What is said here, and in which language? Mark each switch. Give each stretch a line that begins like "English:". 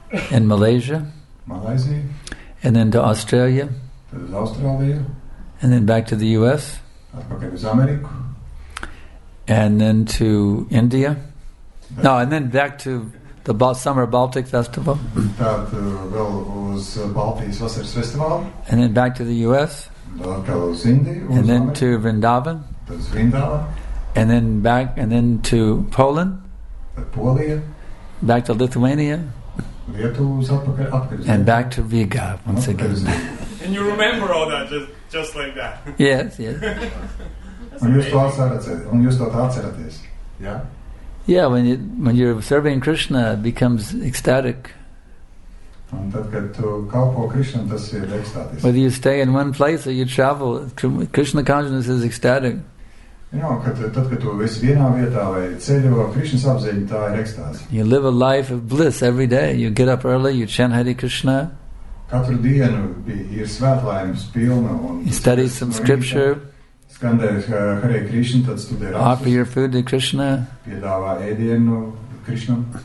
English: And Malaysia.
Latvian: Malaysia.
English: And then to Australia.
Latvian: Uz Austrāliju.
English: And then back to the U.S.
Latvian: Atpakaļ uz Ameriku.
English: And then to India. No, and then back to the Summer Baltic Festival.
Latvian: Tad vēl uz Baltijas vasaras festivālu.
English: And then back to the U.S.
Latvian: Atpakaļ uz Indiju.
English: And then
Latvian: Ameriku.
English: To Vrindavan.
Latvian: Tad uz Vrindavan.
English: And then back, and then to Poland.
Latvian: Tad Polija.
English: Back to Lithuania.
Latvian: Lietuvas atpakaļ, atpakaļ.
English: And back to Riga, once again. And you remember all that, just like that. Yes, yes.
Latvian: Un jūs to atceraties, jā?
English: Yeah, when you're serving Krishna, it becomes ecstatic.
Latvian: Un tad, kad tu kalpo Krishna, tas ir ekstātiski.
English: Whether you stay in one place or you travel, Krishna consciousness is ecstatic.
Latvian: Jā, kad tu esi vienā vietā vai ceļo Krishna apziņu, tā ir ekstāzi.
English: You live a life of bliss every day. You get up early, you chant Hare Krishna.
Latvian: Katru dienu ir svētlaimes pilna.
English: You study some scripture.
Latvian: Skandēj Hare Krishna, tad studē rakstus.
English: Offer your food to Krishna.
Latvian: Piedāvā ēdienu Krishna.